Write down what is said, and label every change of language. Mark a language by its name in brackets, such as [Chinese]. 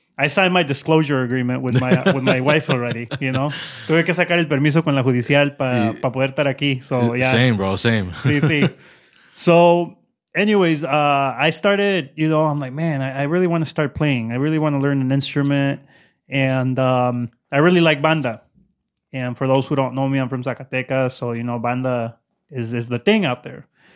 [English] I signed my disclosure agreement with my wife already, you know. [Spanish] Tuve que sacar el permiso con la judicial para poder estar aquí. [English] So, yeah. Same, bro, same. [Spanish] Sí. [English] So... Anyways, I started, you know, I'm like, man, I really want to start playing. I really want to learn an instrument. And I really like banda. And for those who don't know me, I'm from Zacatecas. So, you know, banda is the thing out there.